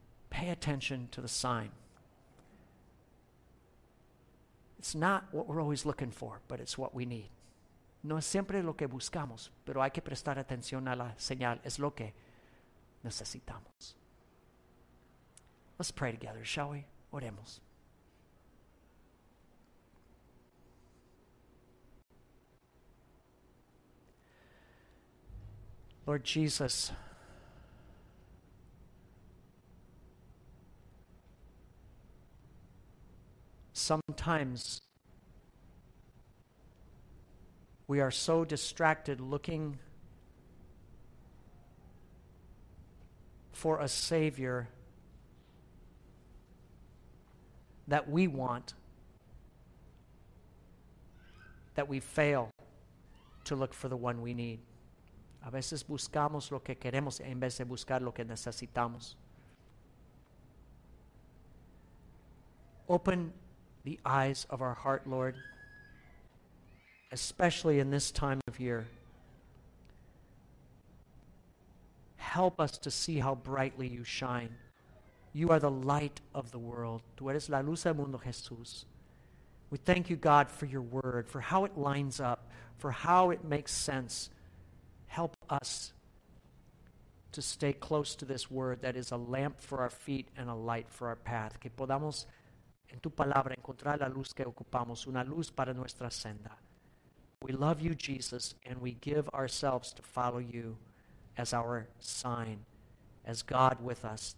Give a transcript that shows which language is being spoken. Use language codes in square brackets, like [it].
[en] Pay attention to the sign. It's not what we're always looking for, but it's what we need. [es] No es siempre lo que buscamos, pero hay que prestar atención a la señal. Es lo que necesitamos. [en] Let's pray together, shall we? [es] Oremos. [en] Lord Jesus, sometimes we are so distracted looking for a Savior that we want that we fail to look for the one we need. [es] A veces buscamos lo que queremos en vez de buscar lo que necesitamos. [en] Open the eyes of our heart, Lord, especially in this time of year. Help us to see how brightly you shine. You are the light of the world. [es] Tú eres la luz del mundo, Jesús. [en] We thank you, God, for your word, for how it lines up, for how it makes sense. Help us to stay close to this word that is a lamp for our feet and a light for our path. [es] Que podamos, en tu palabra, encontrar la luz que ocupamos, una luz para nuestra senda. [en] We love you, Jesus, and we give ourselves to follow you as our sign, as God with us.